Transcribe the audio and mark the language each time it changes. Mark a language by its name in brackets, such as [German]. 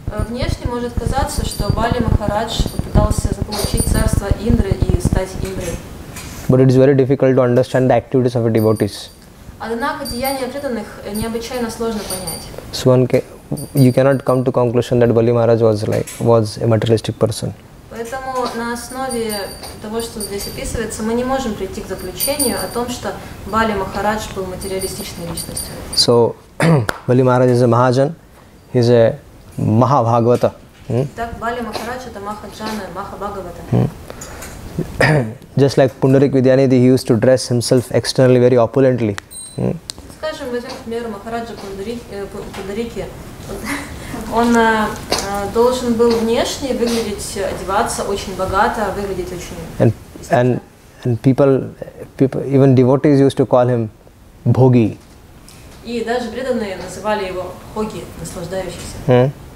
[Russian] Внешне может казаться, что Бали Махарадж пытался заполучить царство Индры и стать Индрой. [English] But it is very difficult to understand the activities of a devotees. [Russian] Однако деяния преданных необычайно сложно понять. [English] So you cannot come to conclusion that Bali Maharaj was a materialistic person. [Russian] Поэтому на основе того, что здесь описывается, мы не можем прийти к заключению о том, что Бали Махарадж был материалистичной личностью. [English] So Bali Maharaj is a Mahajan. He's a Mahabhagavata. [Russian] Так Бали Махарадж это Махаджана, Махабхагавата. [English] Just like Пундарик Видьянидхи, he used to dress himself externally very opulently. [Russian] Скажем, возьмем, к примеру, Махараджа Пундарики. Он должен был внешне выглядеть, одеваться очень богато, выглядеть очень. [English] And people, even devotees used to call him Bhogi. [Russian] И даже преданные называли его Bhogi, наслаждающийся.